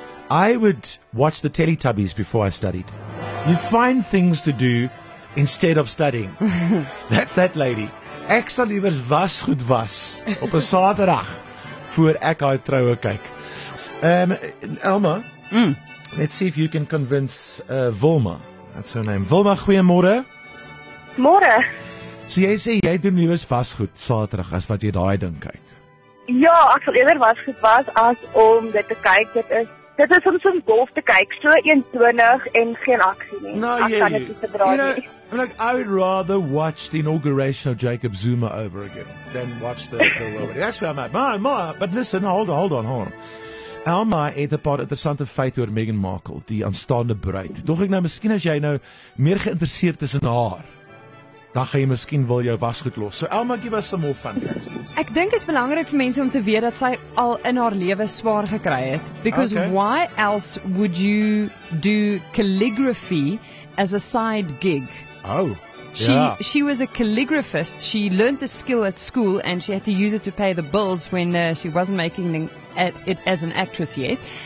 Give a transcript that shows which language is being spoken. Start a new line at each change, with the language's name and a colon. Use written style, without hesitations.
English: I would watch the Teletubbies before I studied. You find things to do instead of studying. That's that lady.
Afrikaans: Ek sal liewers was goed was op 'n Saterdag voor ek haar troue kyk.
English: Elma, let's see if you can convince Wilma. That's her name. Wilma,
Afrikaans: goeiemôre. Môre. So jy sê jy doen liewers was goed Saterdag as wat jy daai ding kyk. Ja, ek sal eerder was goed was as om dit te kyk. Dit is om so'n golf te kyk, so eentonig en geen aksie nie.
English: No,
Afrikaans: ek kan dit nie verdra nie.
English: Look, I would rather watch the inauguration of Jacob Zuma over again than watch the robot. That's where I'm at. But listen, hold on.
Afrikaans: Alma het 'n paar interessante feite oor Meghan Markle, die aanstaande bruid. Dog ek nou, miskien as jy nou meer geïnteresseerd is in haar, dan gaan jy miskien wil jou wasgoed los.
English: So Alma, give us some more fun facts.
Afrikaans: Ek dink dit is belangrik vir mense om te weet dat sy al in haar lewe swaar gekry het.
English: Because why else would you do calligraphy as a side gig? Oh, She was a calligraphist. She learned the skill at school and she had to use it to pay the bills when she wasn't making it as an actress yet.